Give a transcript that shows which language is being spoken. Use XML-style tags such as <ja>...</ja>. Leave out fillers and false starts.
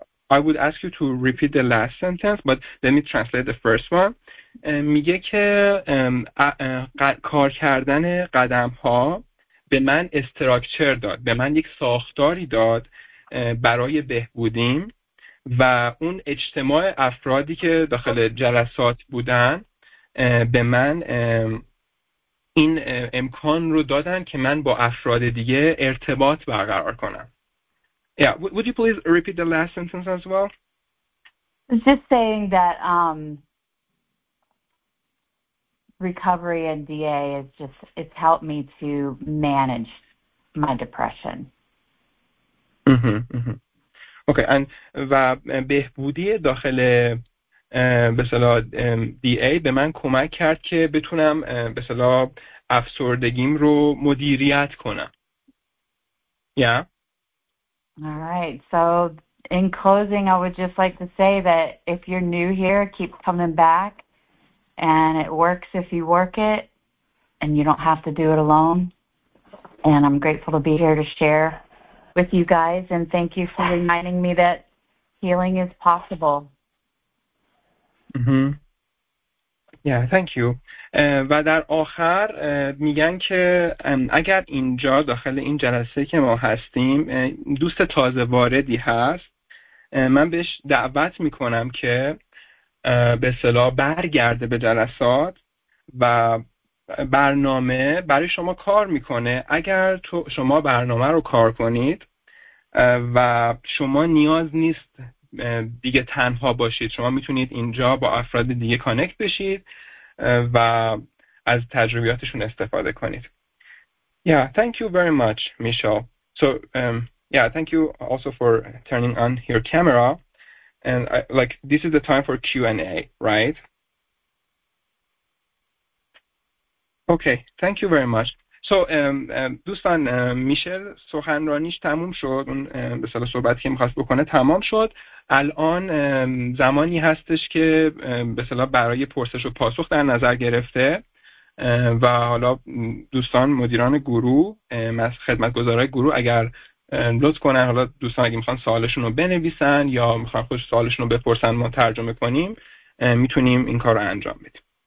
<en>I would ask you to repeat the last sentence, but let me translate the first one.</en> <fa>میگه که کار کردن قدم ها به من استراکچر داد، به من یک ساختاری داد برای بهبودیم، و اون اجتماع افرادی که داخل جلسات بودن به من این امکان رو دادن که من با افراد دیگه ارتباط برقرار کنم.</fa> <en>Yeah, would you please repeat the last sentence as well? Just saying that recovery and DA is just, it's helped me to manage my depression. Okay, and</en> <fa>و بهبودی داخل به اصطلاح DA به من کمک کرد که بتونم به اصطلاح افسردگیم رو مدیریت کنم.</fa> <en>Yeah. All right. So in closing, I would just like to say that if you're new here, keep coming back. And it works if you work it. And you don't have to do it alone. And I'm grateful to be here to share with you guys. And thank you for reminding me that healing is possible. Mm-hmm. Yeah, thank you.</en> <fa>و در آخر میگن که اگر اینجا داخل این جلسه که ما هستیم دوست تازه واردی هست، من بهش دعوت میکنم که به اصطلاح برگرده به جلسات و برنامه برای شما کار میکنه. اگر تو شما برنامه رو کار کنید و شما نیاز نیست دیگه تنها باشید، شما میتونید اینجا با افراد دیگه کانکت بشید و از تجربیاتشون استفاده کنید.</fa> <en>Yeah, thank you very much, Michelle. So, yeah, thank you also for turning on your camera. And like, this is the time for Q&A, right? Okay, thank you very much. So,</en> <fa>دوستان، میشل سخنرانیش تموم شد، اون به سال صحبتی که میخواست بکنه تمام شد. الان زمانی هستش که به اصطلاح برای پرسش و پاسخ در نظر گرفته و حالا دوستان مدیران گروه، خدمتگزارای گروه اگر لطف کنن، حالا دوستان اگه میخوان سوالشون رو بنویسن یا میخوان خود سوالشون رو بپرسن ما ترجمه کنیم، میتونیم این کار رو انجام بدیم.</fa>